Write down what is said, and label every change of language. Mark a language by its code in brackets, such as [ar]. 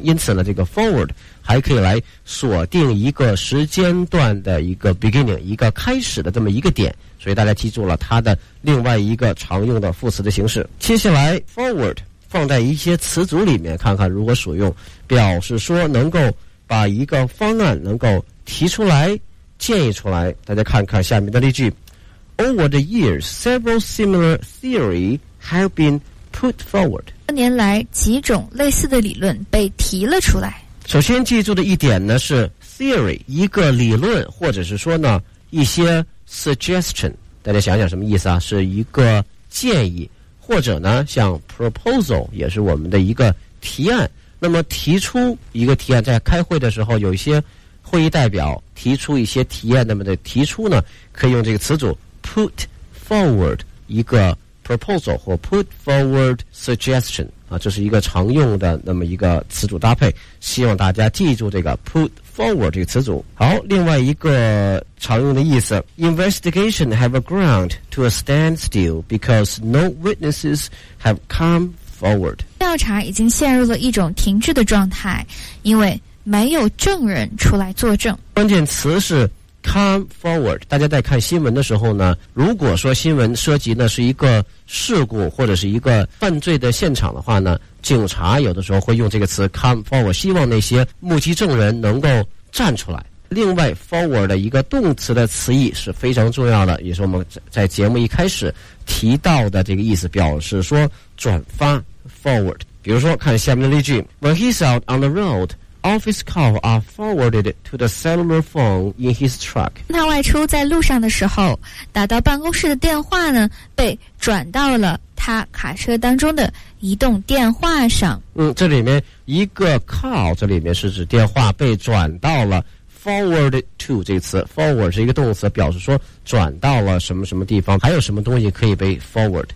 [zh] 因此呢，这个 forward 还可以来锁定一个时间段的一个 beginning 一个开始的这么一个点。所以大家记住了它的另外一个常用的副词的形式。接下来 forward 放在一些词组里面看看如何使用，表示说能够把一个方案能够提出来建议出来。大家看看下面的例句。 [en] Over the years, several similar theory have been put forward. [zh] 多年来几种类似的理论被提了出来。首先记住的一点呢是 theory, 一个理论或者是说呢一些 suggestion, 大家想想什么意思啊，是一个建议或者呢像 proposal, 也是我们的一个提案。那么提出一个提案，在开会的时候有一些会议代表提出一些提案，那么的提出呢可以用这个词组 put forward 一个 proposal 或 [en] put forward suggestion [zh] 啊，这是一个常用的那么一个词组搭配，希望大家记住这个 put forward 这个词组。好，另外一个常用的意思， [en] investigation have a ground to a standstill because no witnesses have come forward. [zh] 调查已经陷入了一种停滞的状态，因为没有证人出来作证。关键词是 come forward。大家在看新闻的时候呢，如果说新闻涉及呢是一个事故或者是一个犯罪的现场的话呢，警察有的时候会用这个词 come forward， 希望那些目击证人能够站出来。另外 forward 的一个动词的词义是非常重要的，也是我们在节目一开始提到的这个意思，表示说转发 forward。比如说看下面的例句， [en] When he's out on the roadOffice calls are forwarded to the cellular phone in his truck. [zh] 他外出在路上的时候，打到办公室的电话呢，被转到了他卡车当中的移动电话上。嗯，这里面一个 call， 这里面是指电话被转到了 forward to 这个词。 forward 是一个动词，表示说转到了什么什么地方，还有什么东西可以被 forward。